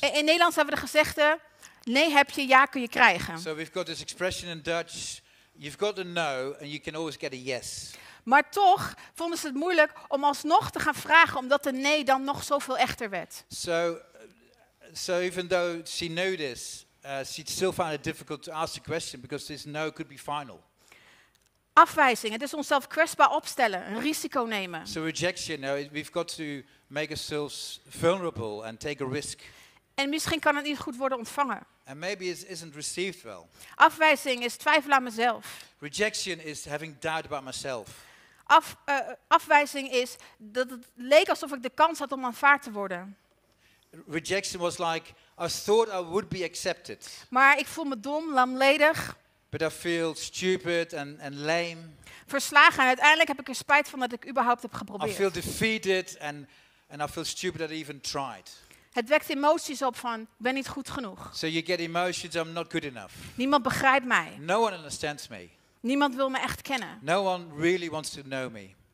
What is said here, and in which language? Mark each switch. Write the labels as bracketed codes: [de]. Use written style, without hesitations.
[nl] In Nederlands hebben we de gezegde: nee heb je, ja kun je krijgen. [en] So we've got this expression in Dutch: you've got a no and you can always get a yes. [nl] Maar toch vonden ze het moeilijk om alsnog te gaan vragen, omdat de nee dan nog zoveel echter werd. [en] So even though she knew this, she still found it difficult to ask the question because this no could be final. [nl] Afwijzing, het is onszelf kwetsbaar opstellen, een risico nemen. [en] So rejection, now we've got to make ourselves vulnerable and take a risk. [nl] En misschien kan het niet goed worden ontvangen. [en] And maybe it isn't received well. [nl] Afwijzing is twijfelen aan mezelf. [en] Rejection is having doubt about myself. [nl] Afwijzing is dat het leek alsof ik de kans had om aanvaard te worden. [en] Rejection was like I thought I would be accepted. [nl] Maar ik voel me dom, lamledig. [en] But I feel stupid and lame. [nl] Verslagen en uiteindelijk heb ik er spijt van dat ik überhaupt heb geprobeerd. [en] I feel defeated and I feel stupid that I even tried. [nl] Het wekt emoties op van ik ben niet goed genoeg. [en] So you get emotions I'm not good enough. [nl] Niemand begrijpt mij. [en] No one understands me. [nl] Niemand wil me echt kennen. [en] No one really wants to know me.